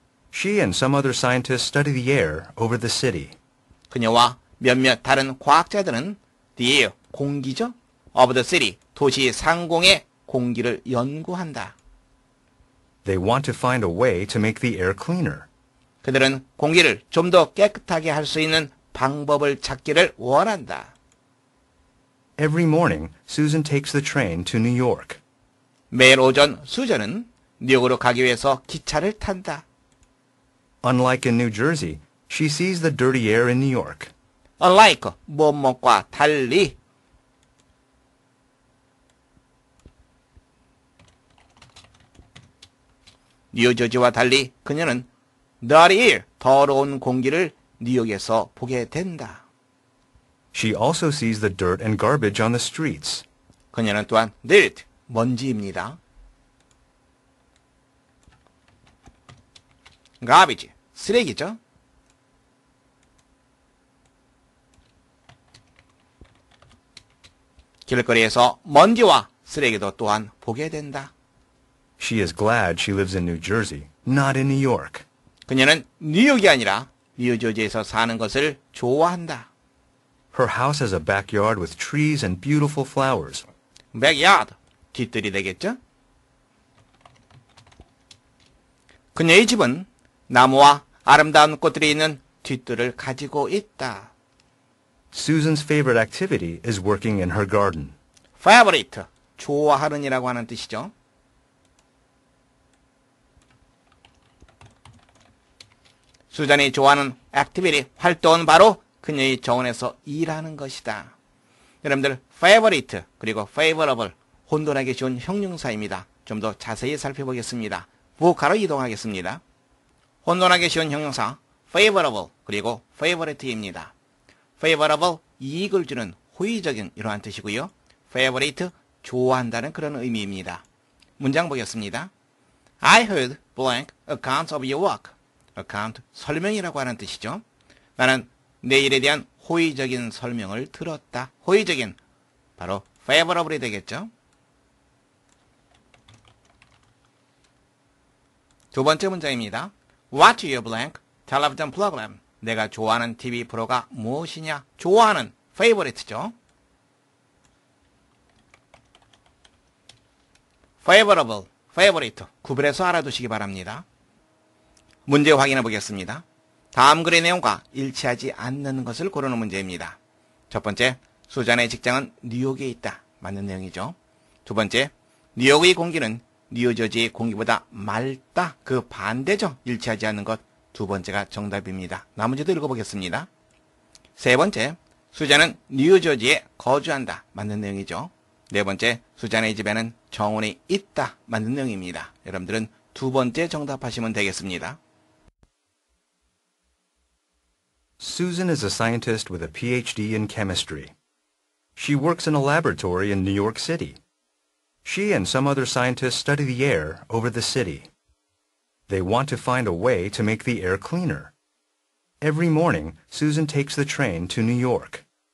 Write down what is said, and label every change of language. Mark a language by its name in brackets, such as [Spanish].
[English] She and some other scientists study the air over the city. [Korean] 그녀와 몇몇 다른 과학자들은 the air, 공기죠? [English] Of the city, [Korean] 도시 상공의 공기를 연구한다. [English] They want to find a way to make the air cleaner. [Korean] 그들은 공기를 좀 더 깨끗하게 할 수 있는 방법을 찾기를 원한다. [English] Every morning, Susan takes the train to New York. [Korean] 매일 오전 수잔은 뉴욕으로 가기 위해서 기차를 탄다. [English] Unlike in New Jersey, she sees the dirty air in New York. [Korean] Unlike, 무엇과 달리. New Jersey와 달리 그녀는 dirty air, 더러운 공기를 뉴욕에서 보게 된다. [English] She also sees the dirt and garbage on the streets. [Korean] 그녀는 또한 dirt, 먼지입니다. Garbage, 쓰레기죠. 길거리에서 먼지와 쓰레기도 또한 보게 된다. [English] She is glad she lives in New Jersey, not in New York. [Korean] 그녀는 뉴욕이 아니라 뉴저지에서 사는 것을 좋아한다. [English] Her house has a backyard with trees and beautiful flowers. [Korean] Backyard, 뒤뜰이 되겠죠? 그녀의 집은 나무와 아름다운 꽃들이 있는 뒤뜰을 가지고 있다. [English] Susan's favorite activity is working in her garden. [Korean] Favorite, 좋아하는이라고 하는 뜻이죠. 수잔이 좋아하는 액티비티, 활동은 바로 그녀의 정원에서 일하는 것이다. 여러분들, favorite 그리고 favorable, 혼돈하기 좋은 형용사입니다. 좀 더 자세히 살펴보겠습니다. 부호가로 이동하겠습니다. 혼돈하기 쉬운 형용사, favorable 그리고 favorite입니다. favorable, 이익을 주는 호의적인 이러한 뜻이고요. favorite, 좋아한다는 그런 의미입니다. 문장 보겠습니다. [English] I heard blank accounts of your work. [Korean] account, 설명이라고 하는 뜻이죠. 나는 내 일에 대한 호의적인 설명을 들었다. 호의적인, 바로 favorable이 되겠죠. 두 번째 문장입니다. [English] Watch your blank television program. [Korean] 내가 좋아하는 TV 프로가 무엇이냐? 좋아하는 favorite죠. favorable, favorite, 구별해서 알아두시기 바랍니다. 문제 확인해 보겠습니다. 다음 글의 내용과 일치하지 않는 것을 고르는 문제입니다. 첫 번째, 수잔의 직장은 뉴욕에 있다. 맞는 내용이죠. 두 번째, 뉴욕의 공기는 뉴저지의 공기보다 맑다. 그 반대죠. 일치하지 않는 것. 두 번째가 정답입니다. 나머지도 읽어보겠습니다. 세 번째, 수잔은 뉴저지에 거주한다. 맞는 내용이죠. 네 번째, 수잔의 집에는 정원이 있다. 맞는 내용입니다. 여러분들은 두 번째 정답하시면 되겠습니다. [English] Susan is a scientist with a PhD in chemistry. She works in a laboratory in New York City. She and some other scientists study the air over the city. They want to find a way to make the air cleaner. Every morning, Susan takes the train to New York.